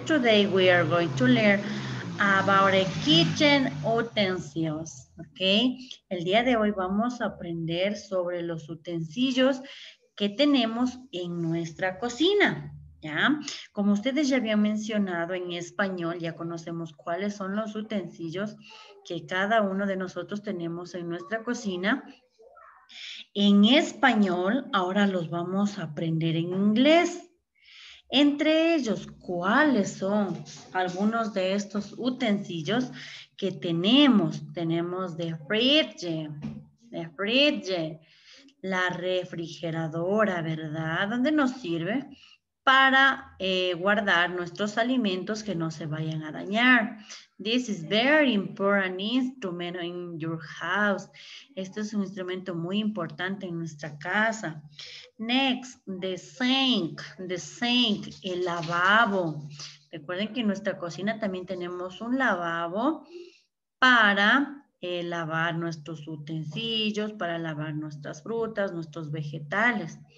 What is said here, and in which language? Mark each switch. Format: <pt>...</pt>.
<en>Today we are going to learn about a kitchen utensils.</en> <es>Okay, el día de hoy vamos a aprender sobre los utensilios que tenemos en nuestra cocina. ¿Ya? Como ustedes ya habían mencionado, en español ya conocemos cuáles son los utensilios que cada uno de nosotros tenemos en nuestra cocina. En español, ahora los vamos a aprender en inglés. Entre ellos, ¿cuáles son algunos de estos utensilios que tenemos? Tenemos</es> <en>the fridge,</en> <es>la refrigeradora, ¿verdad? ¿Dónde nos sirve? Para guardar nuestros alimentos que no se vayan a dañar.</es> <en>This is very important instrument in your house.</en> <es>Este es un instrumento muy importante en nuestra casa.</es> <en>Next, the sink,</en> <es>el lavabo. Recuerden que en nuestra cocina también tenemos un lavabo para lavar nuestros utensilios, para lavar nuestras frutas, nuestros vegetales.</es>